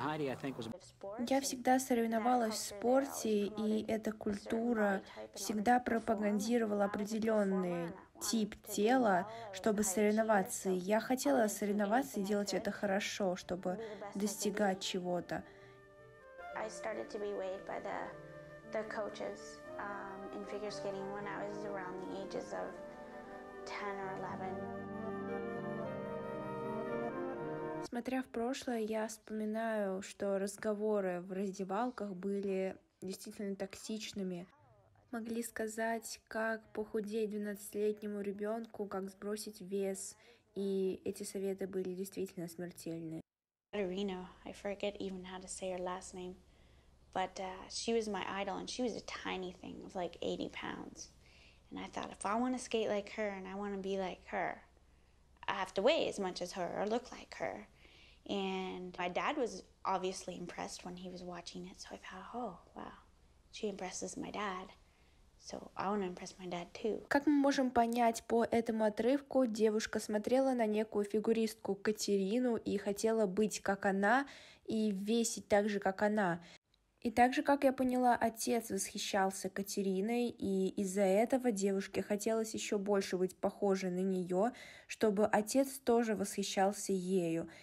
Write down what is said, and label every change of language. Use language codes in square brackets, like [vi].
[ru] Я всегда соревновалась в спорте, и эта культура всегда пропагандировала определенные тип тела, чтобы соревноваться. Я хотела соревноваться и делать это хорошо, чтобы достигать чего-то. [en] I started to be weighed by the coaches in figure skating when I was around the ages of 10 or 11. [ru] Смотря в прошлое, я вспоминаю, что разговоры в раздевалках были действительно токсичными. Могли сказать, как похудеть 12-летнему ребенку, как сбросить вес, и эти советы были действительно смертельны. [en] Arena, I forget even how to say her last name. She was my idol, and she was a tiny thing of like 80 pounds. And I thought, if I want to skate like her and I want to be like her, I have to weigh as much as her or look like her. And my dad was obviously impressed when he was watching it, so I thought, oh, wow, she impresses my dad. So I want to impress my dad too. [ru] Как мы можем понять по этому отрывку, девушка смотрела на некую фигуристку Катерину и хотела быть как она и весить так же, как она. И также, как я поняла, отец восхищался Катериной, и из-за этого девушке хотелось еще больше быть похожей на нее, чтобы отец тоже восхищался ею.